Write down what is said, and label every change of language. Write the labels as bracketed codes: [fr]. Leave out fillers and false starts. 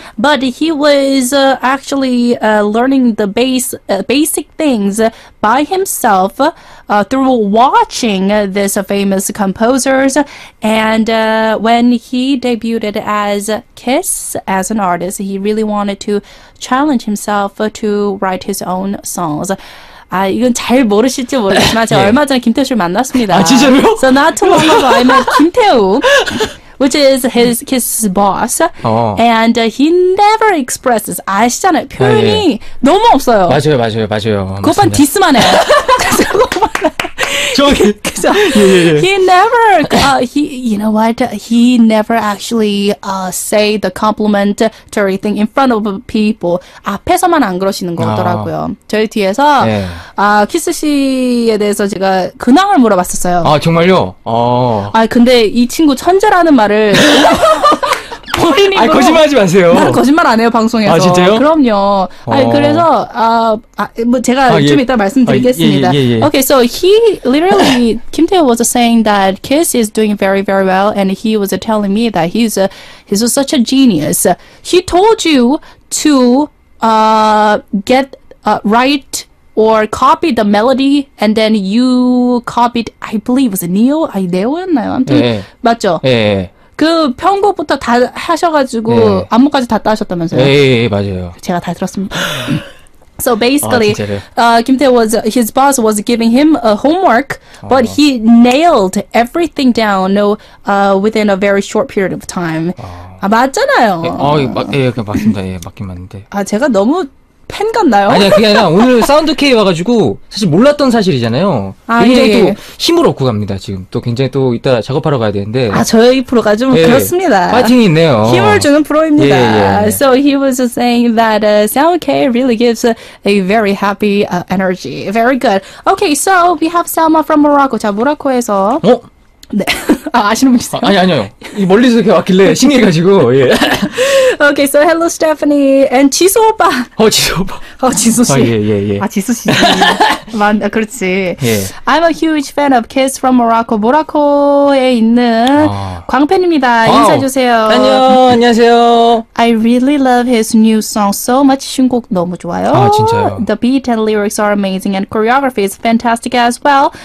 [en] But he was actually learning the basic things by himself through watching this famous composers. And when he debuted as KIXS, as an artist, he really wanted to challenge himself to write his own songs. [ko] 아, 이건 잘 모르실지 모르겠지만 제가 네. 얼마 전에 김태우 씨를 만났습니다. 아, 진짜요? [en] So not too long ago, I met 김태우, which is his KIXS boss. And he never expresses, [ko] 아시잖아요, 표현이 아, 예. 너무 없어요. 맞아요, 맞아요, 맞아요. 그것만 디스만 해요. 저기, 그죠? [en] He never, you know what? He never actually say the compliment to everything in front of people. [ko] 앞에서만 안 그러시는 것 같더라고요. 저희 뒤에서 네. 키스 씨에 대해서 제가 근황을 물어봤었어요. 아 정말요? 아 근데 이 친구 천재라는 말을 본인이 아 거짓말하지 마세요. 난 거짓말 안 해요 방송에서. 아 진짜요? 그럼요. 아니, 그래서 뭐 제가 아, 예. 좀 이따 말씀드리겠습니다. 아, 예, 예, 예, 예. [en] Okay, so he literally Kim Tae was saying that KIXS is doing very very well, and he was telling me that he's such a genius. He told you to get write or copy the melody, and then you copied. I believe was Neo. [ko] 아니 네오였나요? 아무튼 예. 맞죠. 예. 그 편곡부터 다 하셔가지고 네. 안무까지 다 따셨다면서요? 예, 예, 예, 맞아요. 제가 다 들었습니다. [en] So basically, [ko] 아, [en] Kim Tae was his boss was giving him a homework, but he nailed everything down within a very short period of time. [ko] 아, 아 맞잖아요. 예, 맞습니다. 예, 맞긴 맞는데. 아 제가 너무 팬 같나요? 아니야, 그게 아니라 오늘 사운드 K 와가지고 사실 몰랐던 사실이잖아요. 아, 굉장히 예. 또 힘을 얻고 갑니다. 지금 또 굉장히 또 이따 작업하러 가야 되는데. 아 저희 프로가 좀 예. 그렇습니다. 파이팅이 있네요. 힘을 주는 프로입니다. 예, 예, 예. [en] So he was saying that sound K really gives a very happy energy. Very good. Okay, so we have Selma from Morocco. [ko] 자, 모로코에서. 어? 네. 아, 아시는 분 있어요? 아니 아니요. 이 멀리서 이렇게 왔길래 신기해가지고. 예. [en] Okay, so hello, Stephanie and 지수 오빠. [ko] 어, 지수 오빠. 어, 지수 씨. 아, 예, 예, 예. 아, 지수 씨. 만, 그렇지. 예. [en] I'm a huge fan of KIXS from Morocco. [ko] 모로코에 있는 광팬입니다. 인사해주세요. 안녕, 안녕하세요. [en] I really love his new song so much. [ko] 신곡 너무 좋아요. 아, 진짜요? [en] The beat and lyrics are amazing and choreography is fantastic as well.